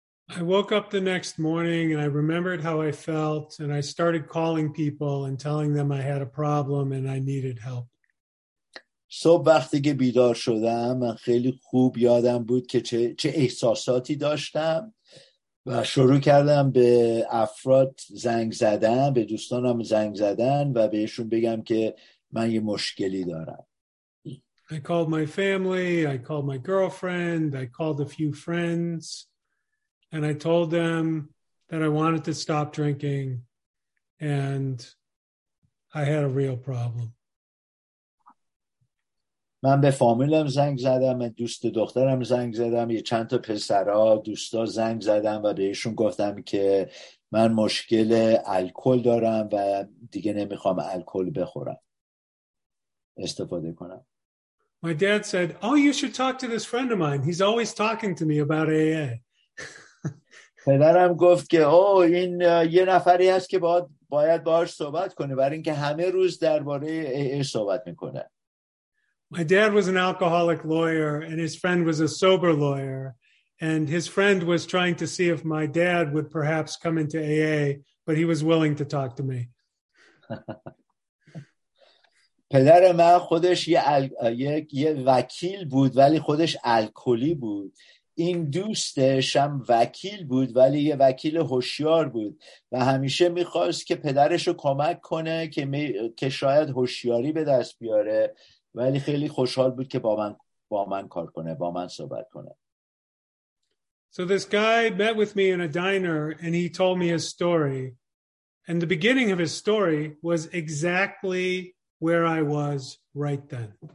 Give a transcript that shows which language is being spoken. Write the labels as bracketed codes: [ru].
[en] I woke up the next morning and I remembered how I felt and I started calling people and telling them I had a problem and I needed help. [fa] صبح وقتی که بیدار شدم من خیلی خوب یادم بود که چه احساساتی داشتم و شروع کردم به افراد زنگ زدن، به دوستانم زنگ زدن و بهشون بگم که من یه مشکلی دارم. [en] I called my family, I called my girlfriend, I called a few friends and I told them that I wanted to stop drinking and I had a real problem. [fa] من به فامیلم زنگ زدم، من دوست دخترم زنگ زدم، یه چند تا پسرها دوستا زنگ زدم و بهشون گفتم که من مشکل الکل دارم و دیگه نمیخوام الکل بخورم استفاده کنم. [en] My dad said, "Oh, you should talk to this friend of mine. He's always talking to me about AA." [fa] پدرم گفت که اوه این یه نفری هست که باید باهاش صحبت کنه، برای اینکه همه روز درباره AA صحبت میکنه. [en] My dad was an alcoholic lawyer and his friend was a sober lawyer and his friend was trying to see if my dad would perhaps come into AA but he was willing to talk to me. [fa] پدر من خودش یه وکیل بود ولی خودش الکلی بود. این دوستش هم وکیل بود ولی یه وکیل هوشیار بود و همیشه میخواست که پدرش رو کمک کنه که شاید هوشیاری به دست بیاره ولی خیلی خوشحال بود که با من کار کنه، با من صحبت کنه. [en] So this guy met with me in a diner and he told me his story. And the beginning of his story was exactly where I was right then.